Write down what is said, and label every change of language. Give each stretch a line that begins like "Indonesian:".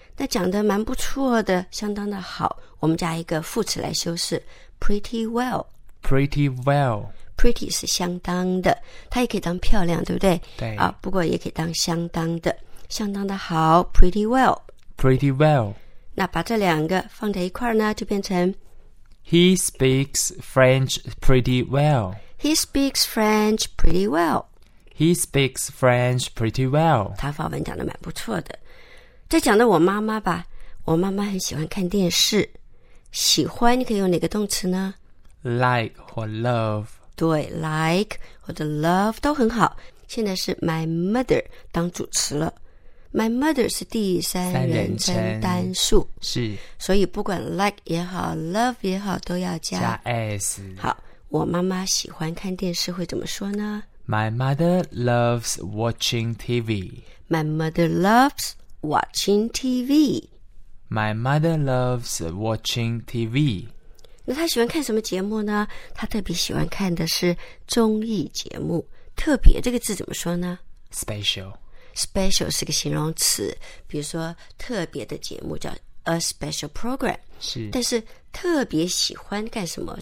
Chinese: 那讲得蛮不错的，相当的好。我们加一个副词来修饰，
English: pretty well， pretty well。
Chinese: Pretty 是相当的，它也可以当漂亮，对不对？对啊，不过也可以当相当的，相当的好 ，
English: pretty well。 Pretty well。
Chinese: 那把这两个放在一块呢，就变成
English: He speaks French pretty well。 He speaks French pretty well。 He speaks French pretty well。
Chinese: 他法文讲的蛮不错的。再讲到我妈妈吧，我妈妈很喜欢看电视，喜欢你可以用哪个动词呢
English: ？Like 或 love。
Chinese: 对 ，like 或者 love 都很好。现在是 my mother 当主词了 ，my mother 是第三人称单数，是，所以不管 like 也好 ，love 也好，都要加
English: s。
Chinese: 好，我妈妈喜欢看电视，会怎么说呢
English: ？My mother loves watching TV. My mother loves watching TV. My mother loves watching TV.
Chinese: 那他喜欢看什么节目呢？他特别喜欢看的是综艺节目。特别这个字怎么说呢
English: ？Special。
Chinese: Special 是个形容词，比如说特别的节目叫
English: a special program。
Chinese: 是。但是特别喜欢干什么？